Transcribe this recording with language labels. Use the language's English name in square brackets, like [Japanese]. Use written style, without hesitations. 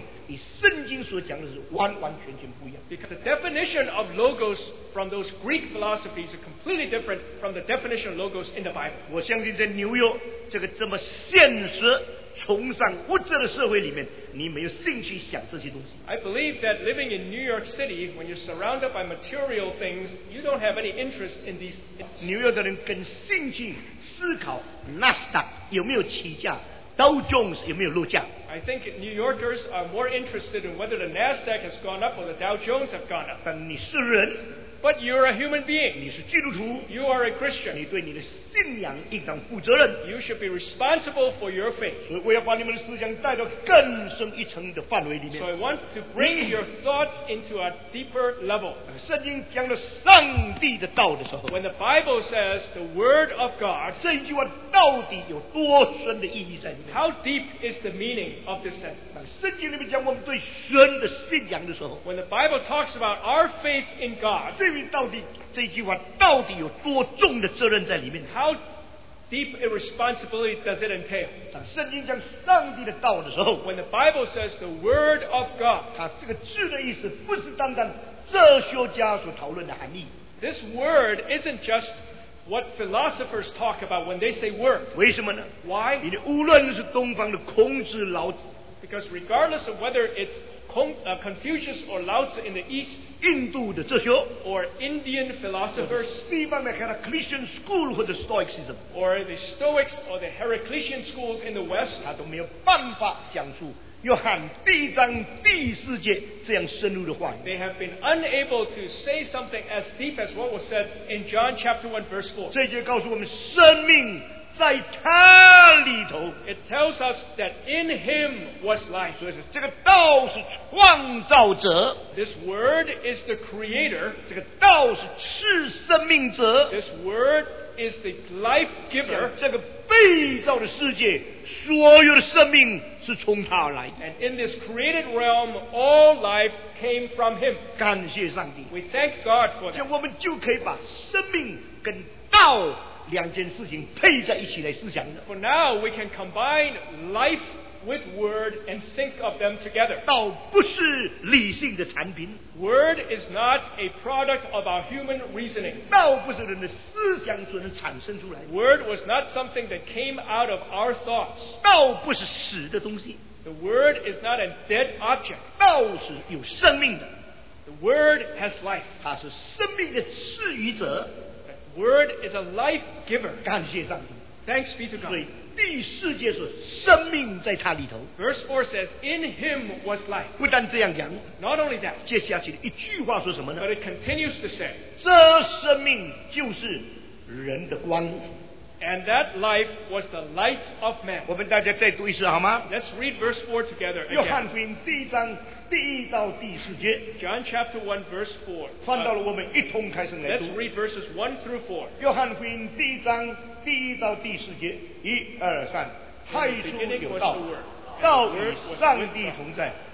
[Chinese] 因为希腊哲学里面论道的内容与圣经所讲的是完完全全不一样, [English] because the definition of logos from those Greek philosophies are completely different from the definition of logos in the Bible. [Chinese] 我相信在纽约这个这么现实崇尚物质的社会里面，你没有兴趣想这些东西。 [English] I believe that living in New York City, when you're surrounded by material things, you don't have any interest in these things. [Chinese] 纽约的人更兴趣思考纳斯达克有没有起价，道琼斯有没有落价。 [English] I think New Yorkers are more interested in whether the Nasdaq has gone up or the Dow Jones have gone up. [Chinese] 但你是人。 [English] But you're a human being. [Chinese] 你是基督徒。 [English] You are a Christian. [Chinese] 你对你的信仰应当负责任。 [English] You should be responsible for your faith. [Chinese] 所以我要把你们的思想带到更深一层的范围里面。 [English] So I want to bring your thoughts into a deeper level. [Chinese] 圣经讲了上帝的道的时候。 [English] When the Bible says the word of God. [Chinese] 这一句话到底有多深的意义在里面。 [English] How deep is the meaning of this sentence? [Chinese] 圣经里面讲我们对神的信仰的时候。 [English] When the Bible talks about our faith in God. [Chinese] 这句话到底有多重的责任在里面？ [English] How deep a responsibility does it entail? [Chinese] 当圣经讲上帝的道的时候， [English] When the Bible says the word of God, [Chinese] 它这个字的意思不是单单哲学家所讨论的含义。 [English] This word isn't just what philosophers talk about when they say word. [Chinese] 为什么呢？ [English] Why? [Chinese] 因为无论是东方的孔子、老子， [English] Because regardless of whether it'sConfucius or Lao Tzu in the East, [Chinese] 印度的哲学, [English] or Indian philosophers, [Chinese] 西方的 Heraclitian school 或者 Stoicism, [English] or the Stoics or the Heraclitian schools in the West, [Chinese] 他都没有办法讲述约翰第一章第四节这样深入的话语。 [English] They have been unable to say something as deep as what was said in John chapter 1 verse 4. [Chinese] 这节告诉我们生命在他里头。 [English] It tells us that in him was life. [Chinese] 所以说这个道是创造者。 [English] This word is the creator. [Chinese] 这个道是赐生命者。 [English] This word is the life giver. [Chinese] 这个被造的世界，所有的生命是从他来的。 [English] And in this created realm, all life came from him. [Chinese] 感谢上帝。 [English] We thank God for that. [Chinese] 我们就可以把生命跟道两件事情配在一起来思想的。 [English] For now, we can combine life with word and think of them together. [Chinese] 道不是理性的产品。 [English] Word is not a product of our human reasoning. [Chinese] 道不是人的思想所能产生出来。 [English] Word was not something that came out of our thoughts. [Chinese] 道不是死的东西。 [English] The word is not a dead object. [Chinese] 道是有生命的。 [English] The word has life. [Chinese] 它是生命的赐予者。 [English] Word is a life giver. [Chinese] 感谢上帝。 [English] Thanks be to God. [Chinese] 所以第四节说生命在他里头。 [English] Verse 4 says, In him was life. [Chinese] 不但这样讲。 [English] Not only that. [Chinese] 接下去的一句话说什么呢？ [English] But it continues to say, [Chinese] 这生命就是人的光。 [English] And that life was the light of man. [Chinese] 我们大家再读一次好吗？ [English] Let's read verse 4 together again. [Chinese] 约翰福音第一章第一到第四节。 [English] John chapter 1 verse 4. [Chinese] 翻到了我们一同开始来读。 [English] Let's read verses 1 through 4. [Chinese] 约翰福音第一章第一到第四节。一二三。太初有道。道与上帝同在。